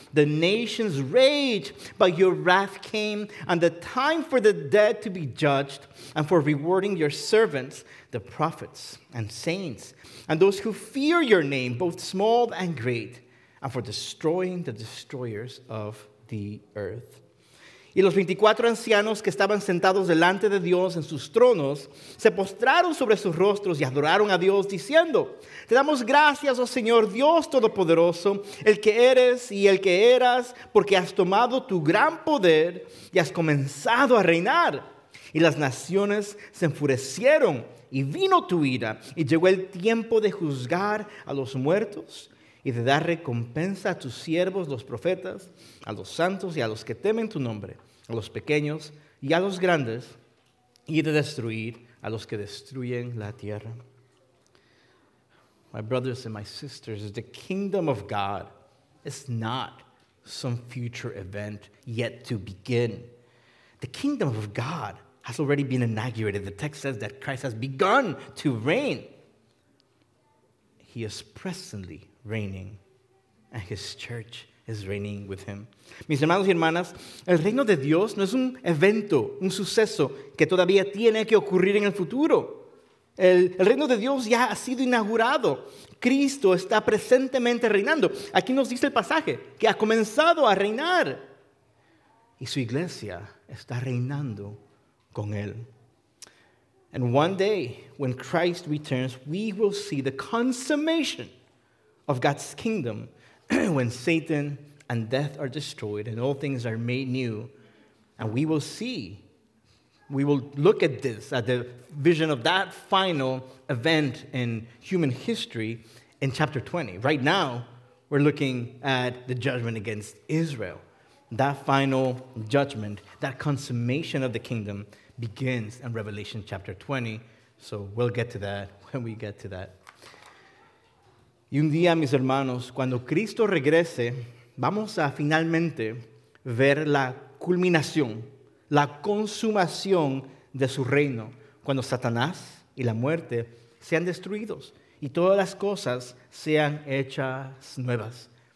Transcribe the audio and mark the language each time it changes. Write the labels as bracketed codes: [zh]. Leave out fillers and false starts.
[en] The nations rage, but your wrath came, and the time for the dead to be judged, and for rewarding your servants, the prophets and saints, and those who fear your name, both small and great, and for destroying the destroyers of the earth. [es] Y los 24 ancianos que estaban sentados delante de Dios en sus tronos se postraron sobre sus rostros y adoraron a Dios diciendo, te damos gracias, oh Señor Dios Todopoderoso, el que eres y el que eras, porque has tomado tu gran poder y has comenzado a reinar. Y las naciones se enfurecieron y vino tu ira y llegó el tiempo de juzgar a los muertos y de dar recompensa a tus siervos, los profetas, a los santos y a los que temen tu nombre, a los pequeños y a los grandes, y de destruir a los que destruyen la tierra. [en] My brothers and my sisters, the kingdom of God is not some future event yet to begin. The kingdom of God has already been inaugurated. The text says that Christ has begun to reign. He is presently reigning, and his church is reigning with him. [es] Mis hermanos y hermanas, el reino de Dios no es un evento, un suceso que todavía tiene que ocurrir en el futuro. El reino de Dios ya ha sido inaugurado. Cristo está presentemente reinando. Aquí nos dice el pasaje que ha comenzado a reinar. Y su iglesia está reinando con él. [en] And one day, when Christ returns, we will see the consummation of God's kingdom, when Satan and death are destroyed and all things are made new. And we will see, we will look at this, at the vision of that final event in human history in chapter 20. Right now, we're looking at the judgment against Israel, that final judgment, that consummation of the kingdom begins in Revelation chapter 20. So we'll get to that when we get to that. [es] Y un día, mis hermanos, cuando Cristo regrese, vamos a finalmente ver la culminación, la consumación de su reino, cuando Satanás y la muerte sean destruidos y todas las cosas sean hechas nuevas.